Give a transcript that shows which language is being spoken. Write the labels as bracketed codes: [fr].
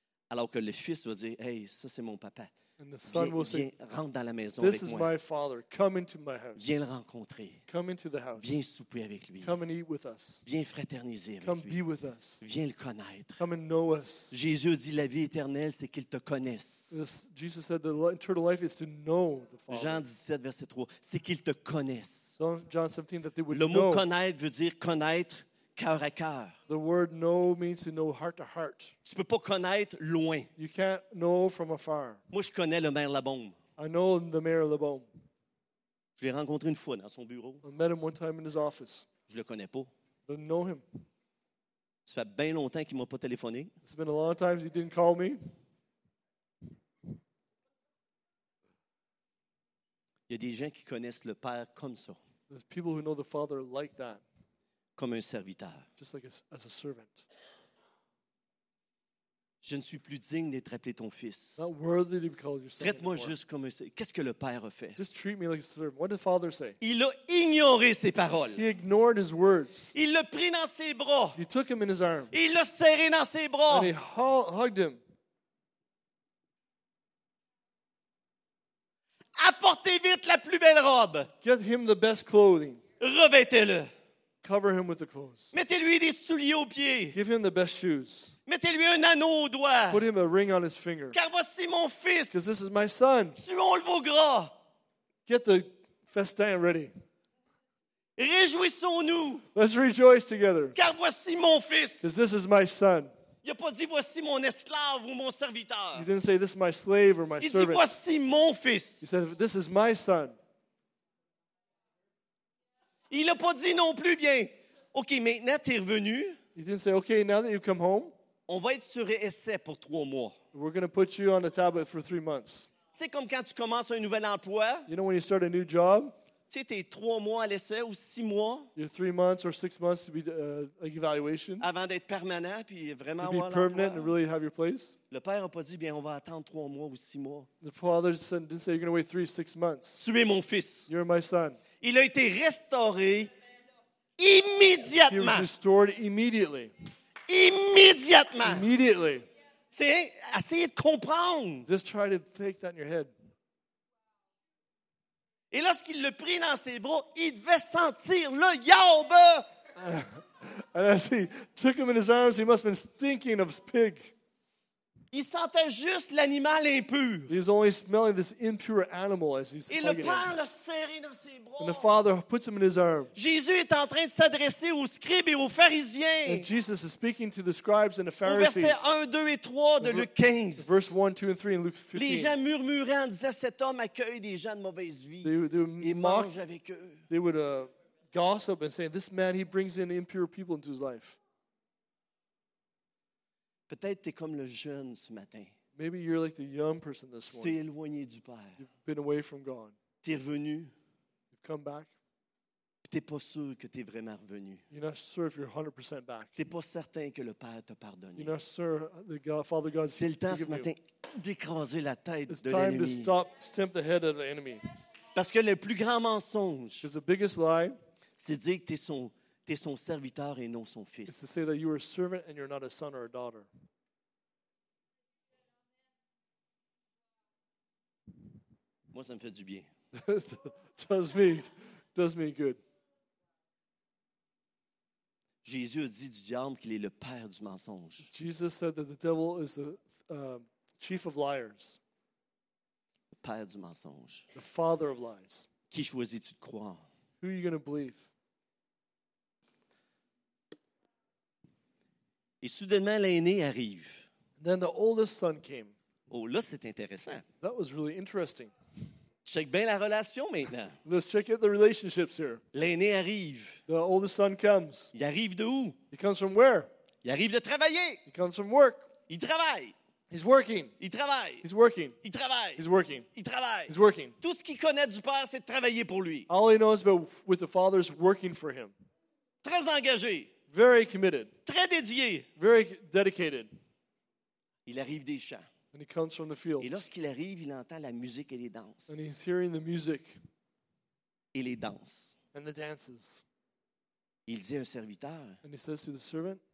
[fr] Alors que le fils va dire, hey, ça c'est mon papa. [en] And the son will say, [fr] rentre dans la maison [en] this [fr] avec [en] is [fr] moi. [en] My father. Come into my house. [fr] Viens le rencontrer. [en] Come into the house. [fr] Viens souper avec lui. [en] Come and eat with us. [fr] Viens fraterniser avec [en] come [fr] lui. [en] Be with us. [fr] Viens le connaître. [en] Come and know us. [fr] Jésus dit, la vie éternelle, c'est qu'il te connaisse. [en] Jesus said, the eternal life is to know the Father. [fr] Jean 17, verset 3, c'est qu'il te connaisse. [en] John 17, that they would [fr] le mot Connaître veut dire connaître cœur à cœur. [en] The word know means to know heart to heart. [fr] Tu peux pas connaître loin. [en] You can't know from afar. [fr] Moi, je connais le maire Labeaume. [en] I know the mayor of Labeaume. [fr] Je l'ai rencontré une fois dans son bureau. [en] I met him one time in his office. [fr] Je le connais pas. [en] Don't know him. [fr] Ça fait bien longtemps qu'il m'a pas téléphoné. [en] It's been a long time he didn't call me. [fr] Il y a des gens qui connaissent le Père comme ça. [en] There's people who know the Father like that. [fr] Comme un serviteur. [en] Just like as a servant. [fr] Je ne suis plus digne d'être appelé ton fils. [en] Not worthy to be called your son. [fr] Traite-moi juste comme un serviteur. Qu'est-ce que le Père a fait? [en] Just treat me like a servant. What did the Father say? [fr] Il a ignoré ses paroles. [en] He ignored his words. [fr] Il l'a pris dans ses bras. [en] He took him in his arms. [fr] Il l'a serré dans ses bras. [en] And he hugged him. [fr] Apportez vite la plus belle robe. [en] Get him the best clothing. [fr] Revêtez-le. [en] Cover him with the clothes. [fr] Mettez-lui des souliers aux pieds. [en] Give him the best shoes. [fr] Mettez-lui un anneau au doigt. [en] Put him a ring on his finger. [fr] Car voici mon fils. [en] Because this is my son. [fr] Suons-le vos gras. [en] Get the festin ready. [fr] Réjouissons-nous. [en] Let's rejoice together. [fr] Car voici mon fils. [en] Because this is my son. [fr] Il a pas dit voici mon esclave ou mon serviteur. [en] He didn't say this is my slave or my [fr] Il [en] servant. [fr] Il dit voici mon fils. [en] He said this is my son. [fr] Il n'a pas dit non plus bien. OK, maintenant tu es revenu. [en] He didn't say, okay, now that you've come home. [fr] On va être sur essai pour 3 mois. [en] We're going to put you on the tablet for 3 months. [fr] Tu sais, comme quand tu commences un nouvel emploi. [en] You know when you start a new job. [fr] Tu sais, t'es 3 mois à l'essai ou 6 mois. [en] You're 3 months or 6 months to be evaluation. [fr] Avant d'être permanent puis vraiment avoir l'emploi. [en] To be permanent and really have your place. [fr] Le père n'a pas dit, bien, on va attendre 3 mois ou 6 mois. [en] The father didn't say, you're going to wait 3 or 6 months. [fr] Tu es mon fils. [en] You're my son. [fr] Il a été restauré immédiatement. [en] He was restored immediately. [fr] Immédiatement. [en] Immediately. [fr] C'est essayer de comprendre. [en] Just try to take that in your head. [fr] Et lorsqu'il le prit dans ses bras, il devait sentir le yaourbe. [en] And as he took him in his arms, he must have been stinking of pig. [fr] Il sentait juste l'animal impur. [en] He's only smelling this impure animal as he's [fr] Et le Père le serré dans ses bras. [en] And the Father puts him in his arms. [fr] Jésus est en train de s'adresser aux scribes et aux pharisiens. [en] And Jesus is speaking to the scribes and the Pharisees. [fr] Versets 1, 2 et 3 de Luc 15. [en] Verse 1, 2 and 3 in Luke 15. [fr] Les gens murmuraient en disant, cet homme accueille des gens de mauvaise vie. Et mange avec eux. [en] They would gossip and say, this man, he brings in impure people into his life. [fr] Peut-être tu es comme le jeune ce matin. [en] Maybe you're like the young person this morning. [fr] Tu es éloigné du Père. [en] You've been away from God. [fr] Tu es revenu. [en] You've come back. [fr] Tu n'es pas sûr que tu es vraiment revenu. [en] You're not sure if you're 100% back. [fr] Tu n'es pas certain que le Père t'a pardonné. [en] You're not sure the God, Father God's [fr] C'est le temps ce matin d'écraser la tête [en] It's [fr] de l'ennemi. [en] It's time to stamp the head of the enemy. [fr] Parce que le plus grand mensonge, [en] Because the biggest lie, [fr] c'est dire que tu es son T'es son serviteur et non son fils. [en] It's to say that you are a servant and you're not a son or a daughter. [fr] Moi, ça me fait du bien. [en] does me good. [fr] Jésus a dit du diable qu'il est le père du mensonge. [en] Jesus said that the devil is the chief of liars. [fr] Le père du mensonge. [en] The father of lies. [fr] Qui choisis-tu de croire? [en] Who are you going to believe? [fr] Et soudainement, l'aîné arrive. [en] Then the oldest son came. [fr] Oh, là, c'est intéressant. [en] That was really interesting. [fr] Check bien la relation maintenant. [en] Let's check out the relationships here. [fr] L'aîné arrive. [en] The oldest son comes. [fr] Il arrive de où? [en] He comes from where? [fr] Il arrive de travailler. [en] He comes from work. [fr] Il travaille. [en] He's working. [fr] Il travaille. [en] He's working. [fr] Il travaille. [en] He's working. [fr] Il travaille. [en] He's working. [fr] Tout ce qu'il connaît du Père, c'est de travailler pour lui. [en] All he knows about with the Father is working for him. [fr] Très engagé. [en] Very committed. [fr] Très dédié. [en] Very dedicated. [fr] Il arrive des champs. [en] And he comes from the fields. [fr] Et lorsqu'il arrive, il entend la musique et les danses. [en] And he's hearing the music. [fr] Et les danses. [en] And the dances. [fr] Il dit à un serviteur. [en] And he says to the servant.